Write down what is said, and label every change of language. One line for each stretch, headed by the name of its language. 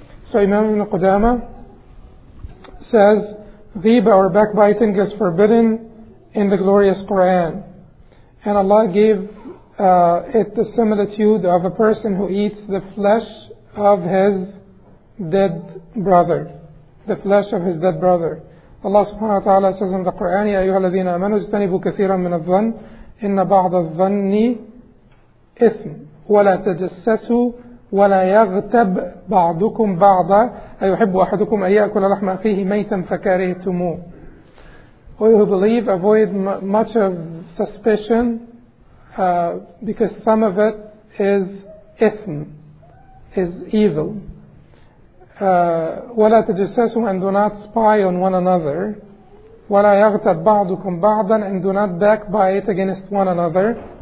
English: So Imam Ibn Qudama says, ghibah or backbiting is forbidden in the glorious Quran. And Allah gave it's the similitude of a person who eats the flesh of his dead brother. The flesh of his dead brother. Allah subhanahu wa ta'ala says in the Quran,
Arabic: يَا أَيُّهَا الَّذِينَ آمَنُوا اجْتَنِبُوا كَثِيرًا مِنَ الظَّنِّ إِنَّ بَعْضَ الظَّنِّ إِثْمٍ وَلَا تَجَسَّسُوا وَلَا يَغْتَبْ بَعْضُكُمْ بَعْضًا أَيُحِبُّ أَحَدُكُمْ أَن يَأْكُلَ لَحْمَ أَخِيهِ مَيْتًا فَكَرِهْتُمُوهُ.
English: Who believe, avoid much of suspicion, because some of it is ithm, is evil.
Arabic: وَلَا تَجَسَّسُوا
English: and do not spy on one another.
Arabic: وَلَا يَغْتَبْ بَعْضُكُمْ بَعْضًا
English: and do not backbite against one another.